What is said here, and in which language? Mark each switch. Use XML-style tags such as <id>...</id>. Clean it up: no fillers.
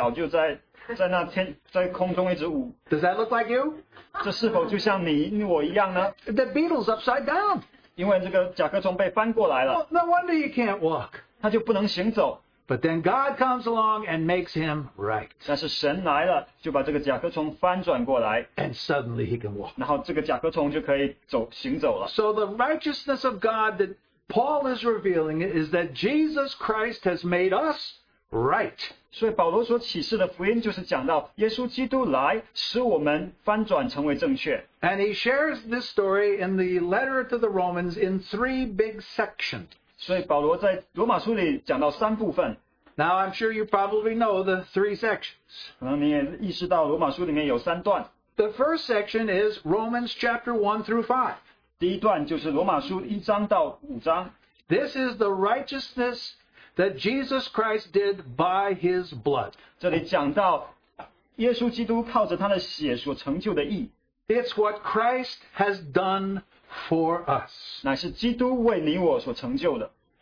<zh>有时候人所做的事好像那些小甲壳虫一样翻过来之后它的脚就在空中一直舞。</zh> <en>Does that look like you?</en> <zh>这是否就像你我一样呢?</zh> <en>The beetle's upside down.</en> <zh>因为这个甲壳虫被翻过来了。</zh> <en>No wonder you can't walk.</en> <zh>他就不能行走。</zh> <en>But then God comes along and makes him right.</en> <zh>但是神来了,就把这个甲壳虫翻转过来。</zh> <en>And suddenly he can walk.</en> <zh>然后这个甲壳虫就可以走,行走了。</zh> <en>So the righteousness of God that Paul is revealing is that Jesus Christ has made us right.</en> <zh>所以保罗所启示的福音就是讲到耶稣基督来使我们翻转成为正确。</zh> <en>And he shares this story in the letter to the Romans in three big sections.</en> <zh>所以保罗在罗马书里讲到三部分。</zh> <en>Now I'm sure you probably know the three sections.</en> <zh>可能你也意识到罗马书里面有三段。</zh> <en>The first section is Romans chapter 1 through 5.</en> <zh>第一段就是罗马书1章到5章。</zh> <en>This is the righteousness that Jesus Christ did by his blood.</en> <zh>这里讲到耶稣基督靠着他的血所成就的义。</zh> <en>It's what Christ has done for us.</en> <zh>乃是基督为你我所成就的。</zh>